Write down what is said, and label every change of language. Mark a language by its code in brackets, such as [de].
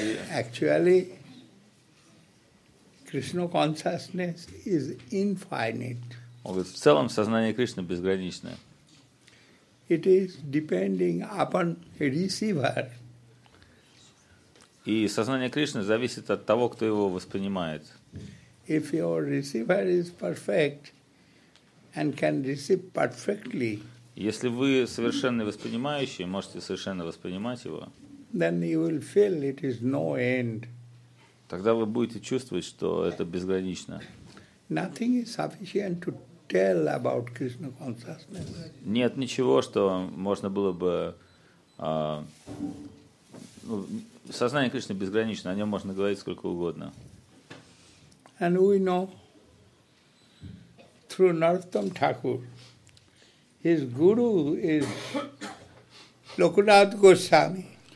[en] Actually, Krishna consciousness is infinite. [ru] Он говорит, в целом сознание Кришны безграничное. [en] It is depending upon receiver. [ru] И сознание Кришны зависит от того, кто его воспринимает. [en] If your receiver is perfect and can receive perfectly, [ru] если вы совершенный воспринимающий, можете совершенно воспринимать его, [en] then you will feel it is no end. [ru] Тогда вы будете чувствовать, что это безгранично. [en] Nothing is sufficient to tell about Krishna consciousness. [ru] Нет ничего, что можно было бы... сознание Кришны безгранично, о нем можно говорить сколько угодно. [en] And we know through Narottam Thakur, His guru is Lokanath Goswami.